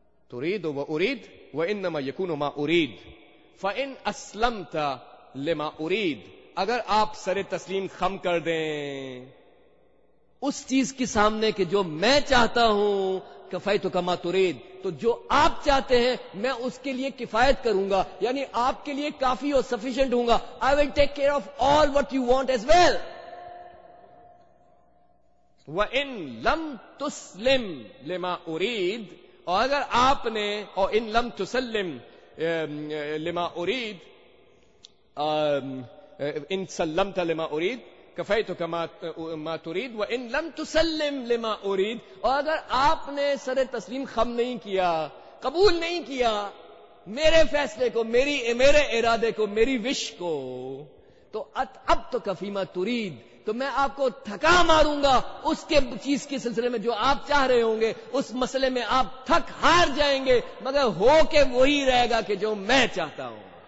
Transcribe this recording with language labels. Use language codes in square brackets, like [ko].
[ar] تريد و أريد وإنما يكون ما أريد فإن أسلمت لما أريد, [ur] اگر آپ سر تسلیم خم کر دیں اس چیز کے سامنے کہ جو میں چاہتا ہوں, [ar] کفیتک ما تريد, [ur] تو جو آپ چاہتے ہیں میں اس کے لیے کفایت کروں گا, یعنی آپ کے لیے کافی اور سفیشنٹ ہوں گا. [en] I will take care of all what you want as well. [ar] وإن لم تسلم لما أريد, [ur] اور اگر آپ نے, اور [ar] ان لم تسلم لما اريد ان سلمت لما اريد كفيتك ما تريد وان لم تسلم لما اريد. [ur] اور اگر آپ نے سر تسلیم خم نہیں کیا, قبول نہیں کیا میرے فیصلے کو, میرے ارادے کو, میری وش کو, تو اب تو [ar] کفیما تورید, [ur] تو میں آپ کو تھکا ماروں گا اس کے چیز کے سلسلے میں جو آپ چاہ رہے ہوں گے, اس مسئلے میں آپ تھک ہار جائیں گے, مگر ہو کے وہی رہے گا کہ جو میں چاہتا ہوں.